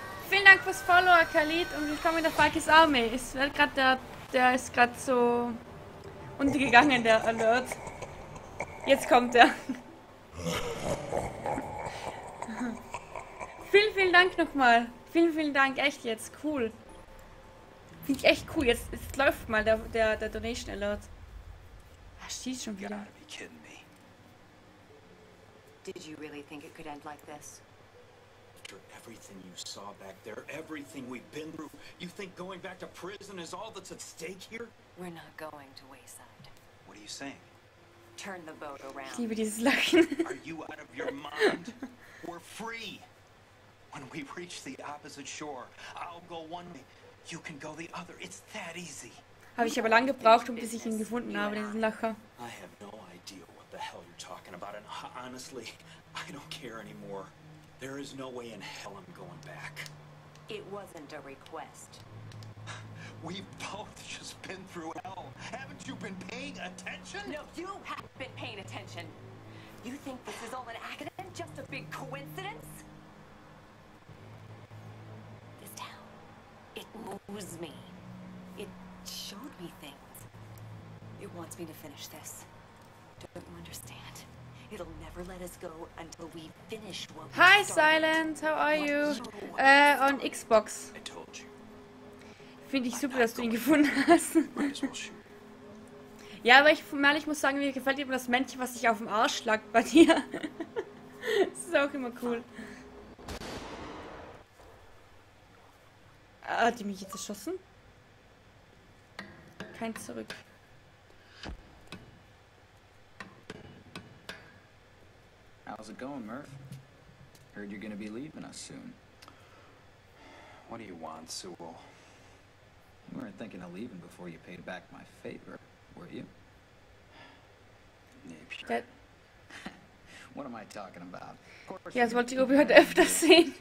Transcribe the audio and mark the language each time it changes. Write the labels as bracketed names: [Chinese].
[German] Vielen Dank fürs Follower, Khalid, und willkommen in der Falkis Army. Ist gerade der ist gerade so untergegangen, der Alert. Jetzt kommt er. Vielen, vielen Dank nochmal. Vielen, vielen Dank, echt jetzt. Cool. Finde ich echt cool. Jetzt läuft mal der Donation Alert. Ach, steht schon wieder. [English] Did you really think it could end like this? After everything you saw back there, everything we've been through, you think going back to prison is all that's at stake here? We're not going to Wayside. What are you saying? Turn the boat around. [German] Ich liebe dieses Lachen. [English] Are you out of your mind? We're free. When we reach the opposite shore, I'll go one way, you can go the other. It's that easy. [German] Habe ich aber lange gebraucht, bis ich ihn gefunden habe, diesen Lacher. [English] I have no idea. The hell you're talking about, and honestly, I don't care anymore. There is no way in hell I'm going back. It wasn't a request. We've both just been through hell. Haven't you been paying attention? No, you have been paying attention. You think this is all an accident, just a big coincidence? This town, it moves me. It showed me things. It wants me to finish this. Don't you understand? It'll never let us go until we finish what we started. Hi Silent, how are you? On Xbox. I told you. [German] Finde ich super, dass du ihn gefunden hast. Ja, aber ich ehrlich muss sagen, mir gefällt eben das Männchen, was sich auf dem Arsch schlagt bei dir. Das ist auch immer cool. Ah, hat die mich jetzt erschossen? Kein Zurück. [English] How's it going, Murph? Heard you're gonna be leaving us soon. What do you want, Sewell? You weren't thinking of leaving before you paid back my favor, were you? Napier. What am I talking about? Of course. [German] Ja, das wollte ich heute öfter sehen.